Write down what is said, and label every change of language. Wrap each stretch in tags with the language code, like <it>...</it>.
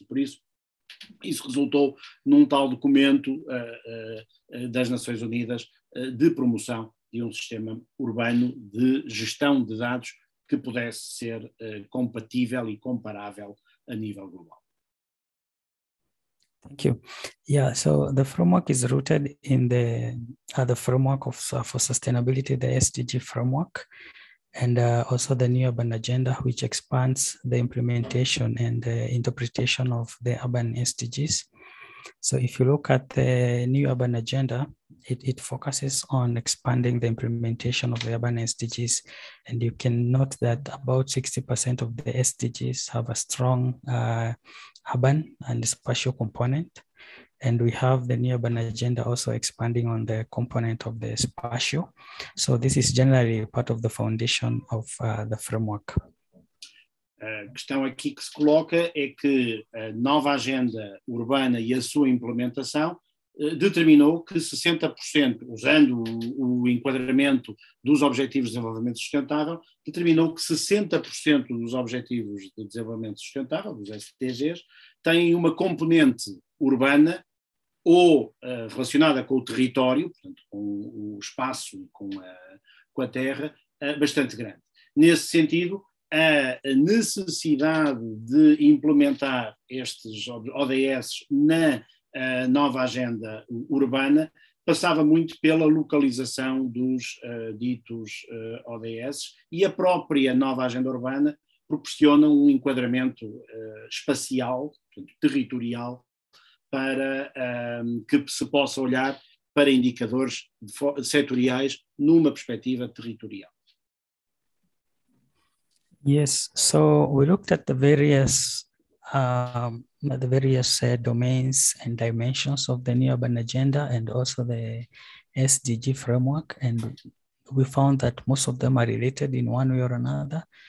<pt>E por isso, isso resultou num tal documento das Nações Unidas de promoção de um sistema urbano de gestão de dados que pudesse ser compatível e comparável a nível global.</pt> <en>Thank you. Yeah, so the framework is rooted in the other framework of for sustainability, the SDG framework, and also the New Urban Agenda, which expands the implementation and the interpretation of the urban SDGs. So if you look at the New Urban Agenda, it focuses on expanding the implementation of the urban SDGs, and you can note that about 60% of the SDGs have a strong urban and spatial component, and we have the New Urban Agenda also expanding on the component of the spatial. So this is generally part of the foundation of the framework.</en> <pt>A questão aqui que se coloca é que a nova agenda urbana e a sua implementação determinou que 60%, usando o enquadramento dos Objetivos de Desenvolvimento Sustentável, determinou que 60% dos Objetivos de Desenvolvimento Sustentável, dos SDGs, têm uma componente urbana ou relacionada com o território, portanto, com o espaço e com a terra, bastante grande. Nesse sentido, a necessidade de implementar estes ODS na nova agenda urbana passava muito pela localização dos ditos ODS, e a própria nova agenda urbana proporciona um enquadramento espacial, portanto, territorial, para que se possa olhar para indicadores setoriais numa perspectiva territorial.</pt> <en>Yes, so we looked at the various domains and dimensions of the New Urban Agenda and also the SDG framework, and we found that most of them are related in one way or another.</en>